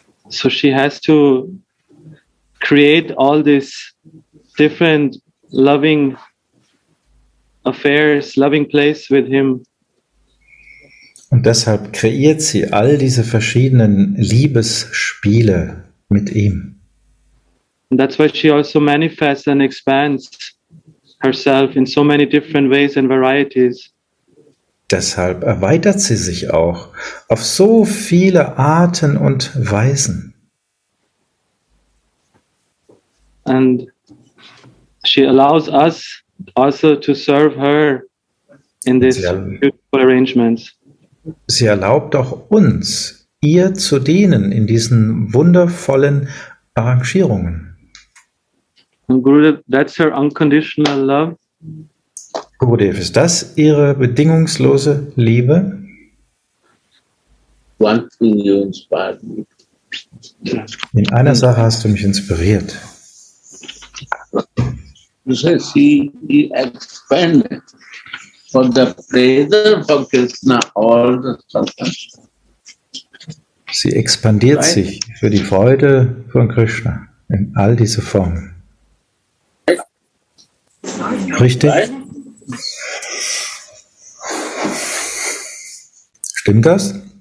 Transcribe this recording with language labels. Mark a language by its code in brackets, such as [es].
[en] So she has to create all these different loving affairs, loving place with him. [de] Und deshalb kreiert sie all diese verschiedenen Liebesspiele mit ihm. [en] And that's why she also manifests and expands herself in so many different ways and varieties. [de] Deshalb erweitert sie sich auch auf so viele Arten und Weisen. [en] And she allows us also to serve her in this beautiful arrangements. [de] Sie erlaubt auch uns, ihr zu dienen in diesen wundervollen Arrangierungen. [en] And Gurudev, that's her unconditional love. [de] Gurudev, ist das ihre bedingungslose Liebe? In einer Sache hast du mich inspiriert. [en] She expanded for the pleasure of Krishna all the time. [de] Sie expandiert [en] right? [de] sich für die Freude von Krishna in all diese Formen. Richtig? Stimmt das?